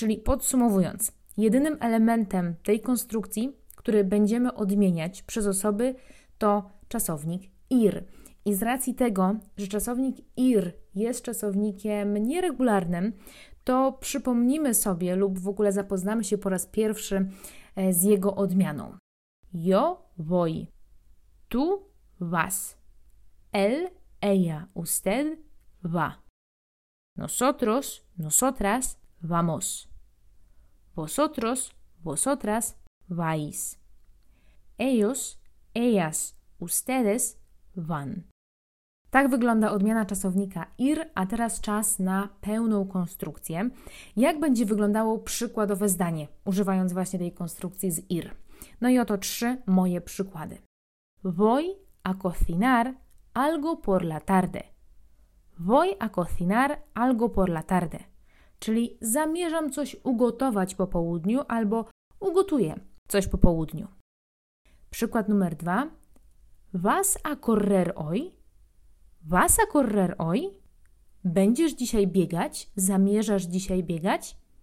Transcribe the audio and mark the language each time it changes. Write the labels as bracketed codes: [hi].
[pl] Czyli podsumowując, jedynym elementem tej konstrukcji, który będziemy odmieniać przez osoby, to czasownik ir. I z racji tego, że czasownik ir jest czasownikiem nieregularnym, to przypomnimy sobie lub w ogóle zapoznamy się po raz pierwszy z jego odmianą. [es] Yo voy, tú vas, él, ella, usted va, nosotros, nosotras vamos, vosotros, vosotras vais. Ellos, ellas, ustedes van. [pl] Tak wygląda odmiana czasownika ir, a teraz czas na pełną konstrukcję. Jak będzie wyglądało przykładowe zdanie, używając właśnie tej konstrukcji z ir? No i oto trzy moje przykłady. [es] Voy a cocinar algo por la tarde. Voy a cocinar algo por la tarde. [pl] Czyli zamierzam coś ugotować po południu albo ugotuję coś po południu. Przykład numer dwa. [es] Vas a correr hoy? Vas a correr hoy? [pl] Będziesz dzisiaj biegać? Zamierzasz dzisiaj biegać?